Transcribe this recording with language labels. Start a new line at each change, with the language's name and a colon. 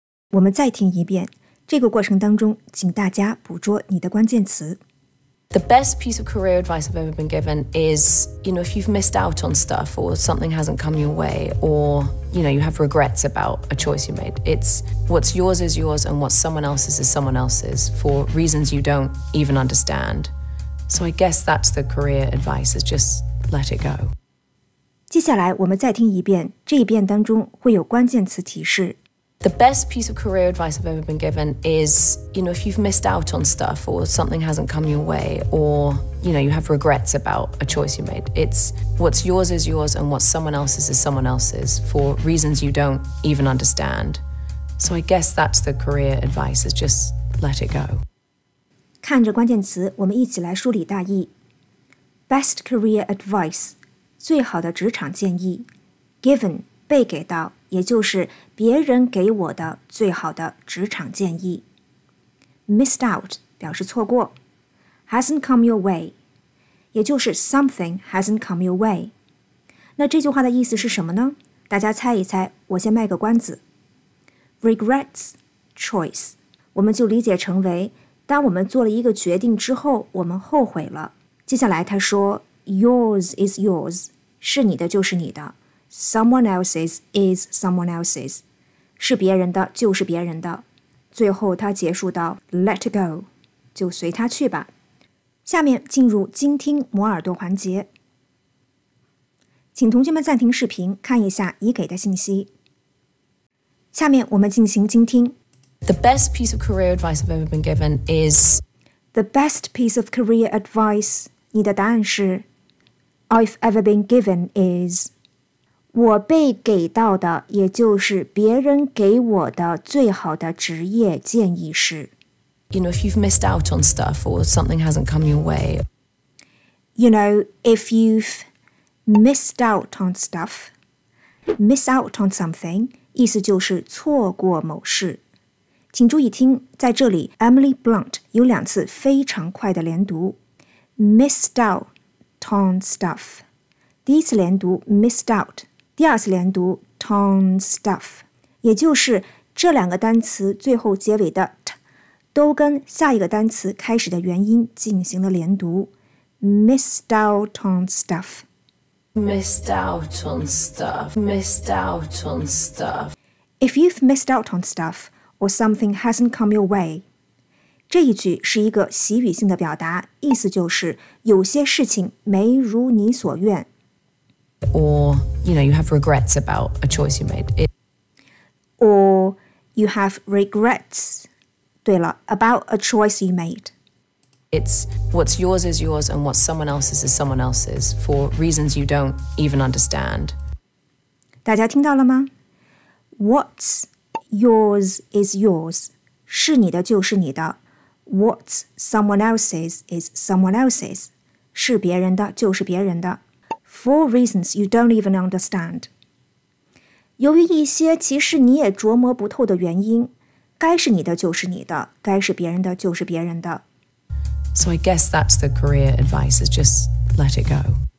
English: The best piece of career advice I've ever been given is, you know, if you've missed out on stuff or something hasn't come your way or, you know, you have regrets about a choice you made, it's what's yours is yours and what's someone else's is someone else's for reasons you don't even understand. So I guess that's the career advice, is just let it go.
Chinese: 接下来我们再听一遍，这一遍当中会有关键词提示。
English: The best piece of career advice I've ever been given is, you know, if you've missed out on stuff or something hasn't come your way or, you know, you have regrets about a choice you made, it's what's yours is yours and what's someone else's is someone else's for reasons you don't even understand. So I guess that's the career advice, is just let it go.
Chinese: 看着关键词，我们一起来梳理大意。
English: Best career advice,
Chinese: 最好的职场建议。 Given, 被给到。也就是别人给我的最好的职场建议。
English: Missed out
Chinese: 表示错过。 Hasn't come your way 也就是 something hasn't come your way。那这句话的意思是什么呢？大家猜一猜，我先卖个关子。
English: Regrets choice
Chinese: 我们就理解成为，当我们做了一个决定之后，我们后悔了。接下来他说
English: yours is yours
Chinese: 是你的就是你的。
English: Someone else's is someone else's.
Chinese: 是别人的就是别人的。最后他结束到
English: let go,
Chinese: 就随他去吧。下面进入精听磨耳朵环节。请同学们暂停视频看一下已给的信息。下面我们进行精听。
English: The best piece of career advice I've ever been given is... The best piece of career advice,
Chinese: 你的答案是
English: I've ever been given is...
Chinese: 我被给到的，也就是别人给我的最好的职业建议是
English: You know, if you've missed out on stuff or something hasn't come your way. You know, if you've missed out on stuff. Miss out on something,
Chinese: 意思就是错过某事。请注意听，在这里 Emily Blunt 有两次非常快的连读。
English: Missed out on stuff.
Chinese: 第一次连读
English: missed out.
Chinese: 第二次连读
English: ton stuff,
Chinese: 也就是这两个单词最后结尾的 t, 都跟下一个单词开始的元音进行了连读。
English: Missed out on stuff. Missed out on stuff. Missed out on stuff. If you've missed out on stuff, or something hasn't come your way.
Chinese: 这一句是一个习语性的表达，意思就是有些事情没如你所愿。
English: Or, you know, you have regrets about a choice you made. Or you have regrets,
Chinese: 对了,
English: about a choice you made. It's what's yours is yours and what's someone else's is someone else's for reasons you don't even understand.
Chinese: 大家听到了吗?
English: What's yours is yours,
Chinese: 是你的就是你的。
English: What's someone else's is someone else's,
Chinese: 是别人的就是别人的。
English: For reasons you don't even understand.
Chinese: 由于一些其实你也琢磨不透的原因，该是你的就是你的，该是别人的就是别人的。
English: So I guess that's the career advice, is just let it go.